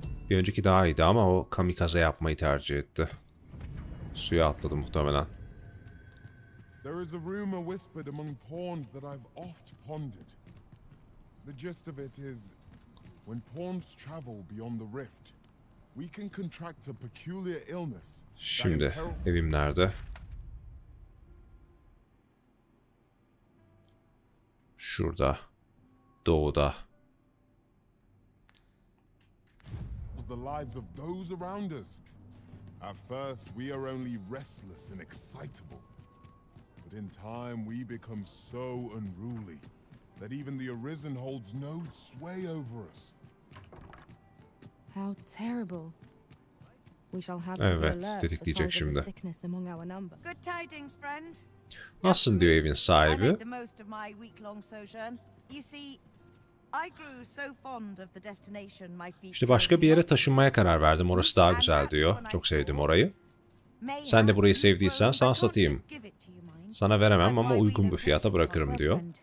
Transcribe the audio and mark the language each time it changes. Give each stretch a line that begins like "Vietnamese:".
Turkish: Bir önceki daha iyiydi ama o kamikaze yapmayı tercih etti. Suya atladı muhtemelen.
English: There is a rumor whispered among pawns that I've oft pondered. The gist of it is, when pawns travel beyond the rift, we can contract a peculiar illness.
Turkish: Şimdi evim nerede? Şurada. Doğuda.
English: The lives of those around us. At first we are only restless and excitable. But in time we become so unruly that even the arisen holds no sway over us. How terrible. We shall have to be alert for signs of a sickness among our number. Good tidings, friend.
Turkish: Nasılsın diyor evin sahibi?
English: The most of my week-long sojourn. You see, I grew so fond of the destination my feet.
Turkish: İşte başka bir yere taşınmaya karar verdim. Orası daha güzel diyor. Çok sevdim orayı. Sen de burayı sevdiysen sana satayım. Sana veremem ama uygun bir fiyata bırakırım diyor.